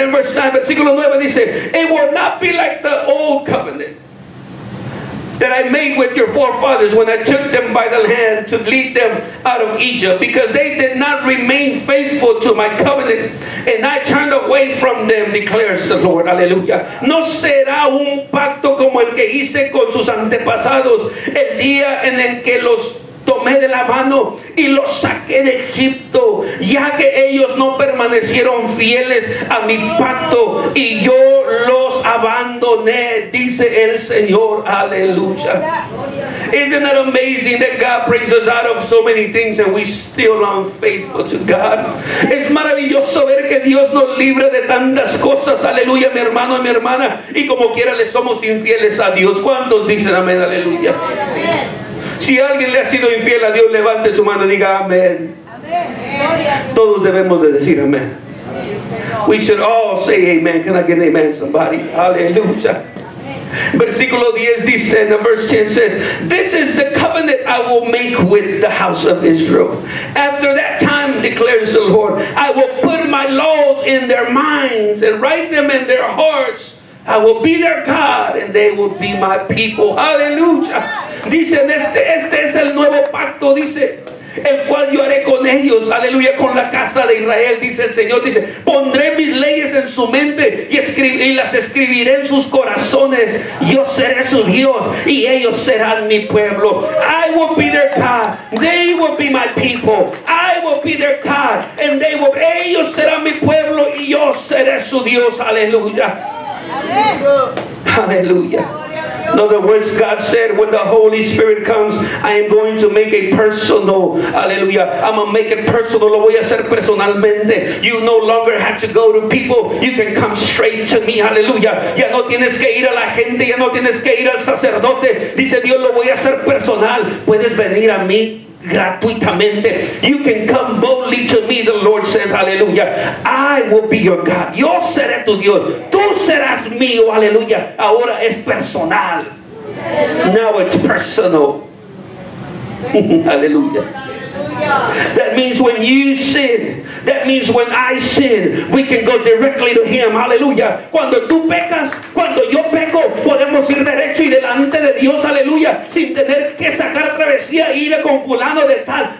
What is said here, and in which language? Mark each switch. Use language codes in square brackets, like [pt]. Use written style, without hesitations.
[en] In verse 9, [es] versículo 9, dice, [en] it will not be like the old covenant that I made with your forefathers when I took them by the hand to lead them out of Egypt, because they did not remain faithful to my covenant, and I turned away from them, declares the Lord. [es] Aleluya. No será un pacto como el que hice con sus antepasados el día en el que los tomé de la mano y los saqué de Egipto, ya que ellos no permanecieron fieles a mi pacto y yo los abandoné, dice el Señor. Aleluya. [en] Isn't that amazing that God brings us out of so many things and we still unfaithful to God? [es] Es maravilloso ver que Dios nos libra de tantas cosas. Aleluya, mi hermano y mi hermana, y como quiera le somos infieles a Dios. ¿Cuántos dicen amén? Aleluya. Si alguien le ha sido infiel a Dios, levante su mano y diga amén. Todos debemos de decir amén. [en] We should all say amen. Can I get amen, somebody? Aleluya. [es] Versículo 10 dice, [en] the verse 10 says, this is the covenant I will make with the house of Israel. After that time, declares the Lord, I will put my laws in their minds and write them in their hearts. I will be their God and they will be my people. Aleluya. [es] Dice, este es el nuevo pacto, dice, el cual yo haré con ellos, aleluya, con la casa de Israel, dice el Señor. Dice, pondré mis leyes en su mente y las escribiré en sus corazones. Yo seré su Dios y ellos serán mi pueblo. [en] I will be their God, they will be my people. I will be their God and they will, [es] ellos serán mi pueblo y yo seré su Dios, aleluya. Aleluya. [en] In other words, God said, when the Holy Spirit comes, I am going to make it personal. Hallelujah. I'm going to make it personal. [es] Lo voy a hacer personalmente. [en] You no longer have to go to people. You can come straight to me. Hallelujah. [es] Ya no tienes que ir a la gente. Ya no tienes que ir al sacerdote. Dice Dios, lo voy a hacer personal. Puedes venir a mí gratuitamente. [en] You can come boldly to me, the Lord says. Hallelujah. I will be your God. [es] Yo seré tu Dios. Tú serás mío. Hallelujah. Ahora es personal. [en] Now it's personal. Hallelujah. That means when you sin, that means when I sin, we can go directly to Him. Hallelujah. [es] Cuando tú pecas, cuando yo peco, podemos ir derecho y delante de Dios. Hallelujah. Sin tener que sacar travesía e ir con fulano de tal.